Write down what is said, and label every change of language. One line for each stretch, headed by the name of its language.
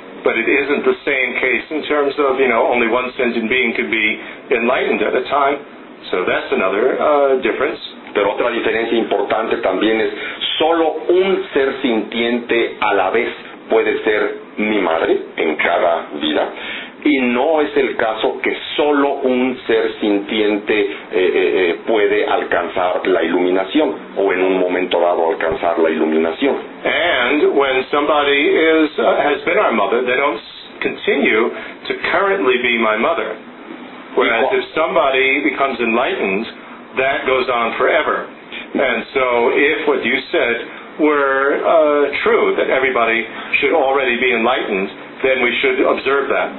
English: But it isn't the same case in terms of, you know, only one sentient being could be enlightened at a time. So that's another difference.
Spanish: Pero otra diferencia importante también es solo un ser sintiente a la vez puede ser mi madre en cada vida, y no es el caso que solo un ser sintiente puede alcanzar la iluminación o en un momento dado alcanzar la iluminación.
English: And when somebody is has been our mother, they don't continue to currently be my mother. Whereas if somebody becomes enlightened, that goes on forever. And so if what you said were true, that everybody should already be enlightened, then we should observe that.